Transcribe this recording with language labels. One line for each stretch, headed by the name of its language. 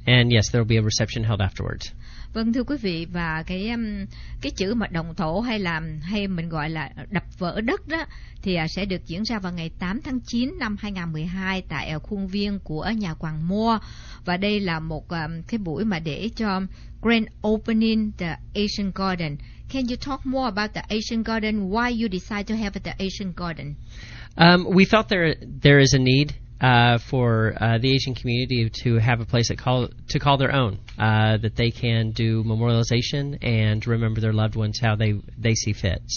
English: And yes, there will be a reception held afterwards.
Vietnamese: Vâng, thưa quý vị, và cái chữ mà động thổ hay mình gọi là đập vỡ đất đó thì sẽ được diễn ra vào ngày 8 tháng 9 năm 2012 tại khuôn viên của nhà quàng Moore. Và đây là một cái buổi mà để cho Grand Opening the Asian Garden.
English: Can you talk more about the Asian Garden? Why you decide to have the Asian Garden? We thought there is a need for the Asian community to have a place to call their own, that they can do memorialization and remember their loved ones how they see fit.